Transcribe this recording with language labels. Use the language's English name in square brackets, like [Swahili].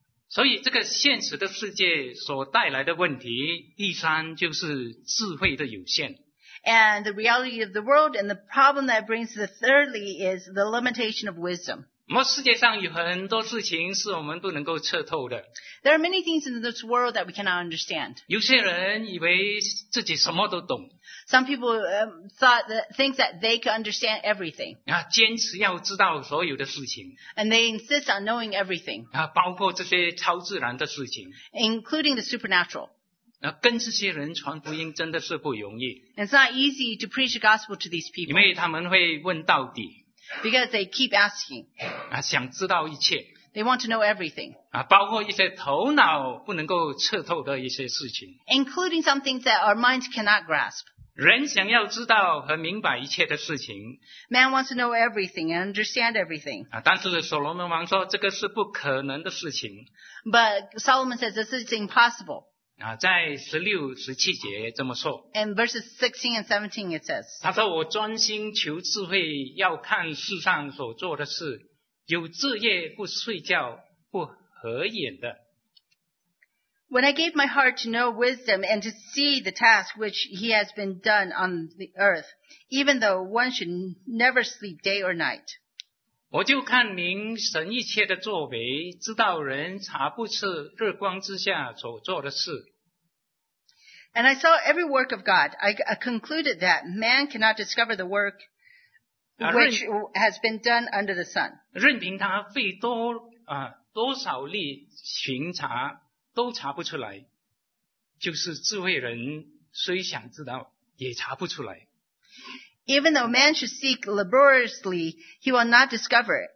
[Chinese] 所以这个现实的世界所带来的问题，第三就是智慧的有限。 [English] And the reality of the world and the problem that brings the thirdly is the limitation of wisdom. [Chinese] 世界上有很多事情是我们不能够测透的。 [English] There are many things in this world that we cannot understand. [Chinese] 有些人以为自己什么都懂。 [English] Some people think that they could understand everything. [Chinese] 坚持要知道所有的事情。 [English] And they insist on knowing everything. [Chinese] 包括这些超自然的事情。 [English] Including the supernatural. [Chinese] 跟这些人传福音真的是不容易。 [English] It's not easy to preach the gospel to these people. [Chinese] 因为他们会问到底。 [English] Because they keep asking. [Chinese] 想知道一切。 [English] They want to know everything. [Chinese] 包括一些头脑不能够彻透的一些事情。 [English] Including some things that our minds cannot grasp. [Chinese] 人想要知道和明白一切的事情。 [English] Man wants to know everything and understand everything. [Chinese] 但是所罗门王说这个是不可能的事情。 [English] But Solomon says this is impossible. [Chinese] 在十六、十七节这么说。 [English] In verses 16 and 17 it says. [Chinese] 他说我专心求智慧，要看世上所做的事，有昼夜不睡觉不合眼的。 [English] When I gave my heart to know wisdom and to see the task which he has been done on the earth, even though one should never sleep day or night. [Chinese] 我就看明神一切的作为，知道人查不出日光之下所做的事。 [English] And I saw every work of God. I concluded that man cannot discover the work which has been done under the sun. [Chinese] 任凭他费多少力寻查。都查不出来，就是智慧人虽想知道，也查不出来。 [English] Even though man should seek laboriously, he will not discover it.